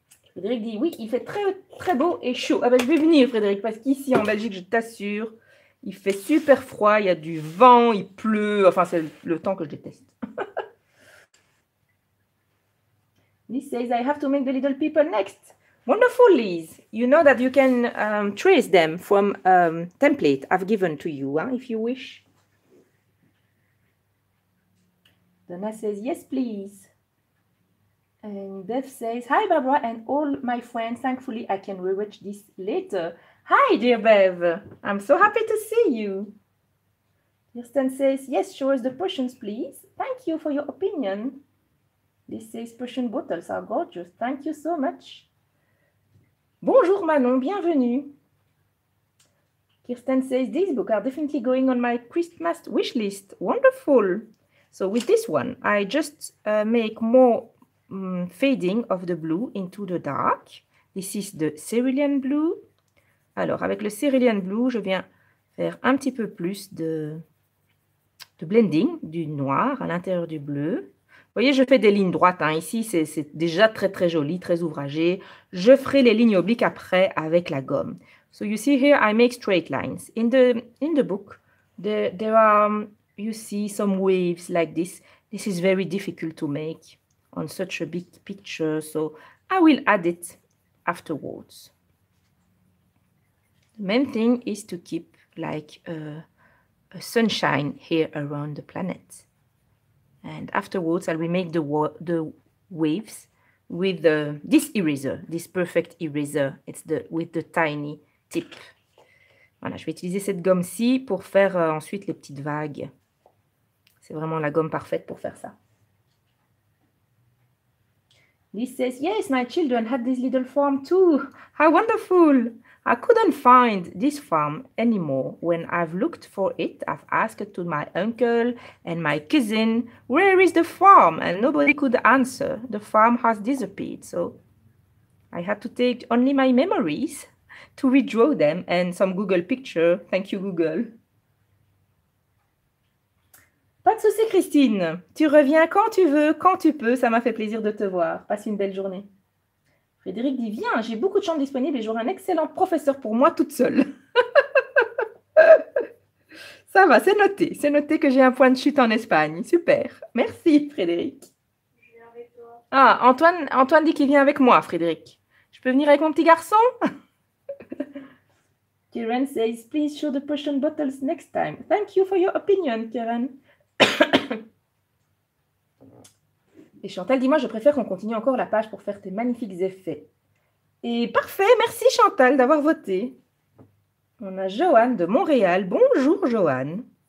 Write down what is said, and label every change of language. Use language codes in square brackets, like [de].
[fr] Frédéric dit, oui, il fait très, très beau et chaud. Ah ben, je vais venir, Frédéric, parce qu'ici, en Belgique, je t'assure, il fait super froid, il y a du vent, il pleut. Enfin, c'est le temps que je déteste. [en] Liz says, I have to make the little people next. Wonderful, Liz. You know that you can trace them from a template I've given to you, hein, if you wish. Donna says, yes, please. And Beth says, hi Barbara and all my friends, thankfully I can rewatch this later. Hi dear Bev, I'm so happy to see you. Kirsten says, yes, show us the potions please. Thank you for your opinion. This says, potion bottles are gorgeous. Thank you so much. [fr] Bonjour Manon, bienvenue. [en] Kirsten says, these books are definitely going on my Christmas wish list. Wonderful. So with this one, I just make more fading of the blue into the dark. This is the cerulean blue. [fr] Alors, avec le cerulean blue, je viens faire un petit peu plus de blending du noir à l'intérieur du bleu. Vous voyez, je fais des lignes droites. Hein. Ici, c'est déjà très, très joli, très ouvragé. Je ferai les lignes obliques après avec la gomme. [en] So, you see here, I make straight lines. In the book, there are, you see, some waves like this. This is very difficult to make on such a big picture, so I will add it afterwards. The main thing is to keep like a sunshine here around the planet. And afterwards, I'll remake the waves with this eraser, this perfect eraser. It's with the tiny tip. Voilà, je vais utiliser cette gomme-ci pour faire ensuite les petites vagues. C'est vraiment la gomme parfaite pour faire ça. This says, yes, my children had this little farm too. How wonderful! I couldn't find this farm anymore. When I've looked for it, I've asked to my uncle and my cousin, where is the farm? And nobody could answer. The farm has disappeared. So I had to take only my memories to redraw them and some Google picture. Thank you, Google. [fr] Pas de souci, Christine. Tu reviens quand tu veux, quand tu peux. Ça m'a fait plaisir de te voir. Passe une belle journée. Frédéric dit, viens, j'ai beaucoup de chambres disponibles et j'aurai un excellent professeur pour moi toute seule. Ça va, c'est noté. C'est noté que j'ai un point de chute en Espagne. Super. Merci, Frédéric. Je viens avec toi. Ah, Antoine dit qu'il vient avec moi, Frédéric. Je peux venir avec mon petit garçon? [en] Karen says, please show the Persian bottles next time. Thank you for your opinion, Karen. [fr] Et Chantal, dis-moi, je préfère qu'on continue encore la page pour faire tes magnifiques effets. Et parfait, merci Chantal d'avoir voté. On a Joanne de Montréal. Bonjour Joanne.